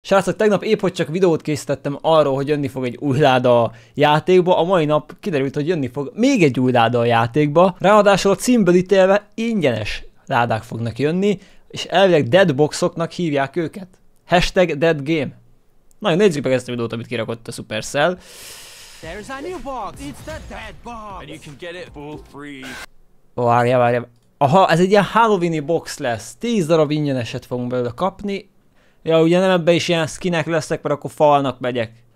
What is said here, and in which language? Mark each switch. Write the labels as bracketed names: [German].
[Hungarian] Srácok, tegnap épp hogy csak videót készítettem arról, hogy jönni fog egy új láda a játékba, a mai nap kiderült, hogy jönni fog még egy új láda a játékba, ráadásul a címből ítélve ingyenes ládák fognak jönni, és elvileg deadboxoknak hívják őket. Hashtag deadgame. Na jó, nézzük meg ezt a videót, amit kirakott a Supercell. [English] There's a new box, it's the deadbox, and you can get it for free. [Hungarian] Várjál. Aha, ez egy ilyen halloweeni box lesz, 10 darab ingyeneset fogunk belőle kapni. Ja, ugye nem ebbe is ilyen skinek leszek, mert akkor falnak megyek.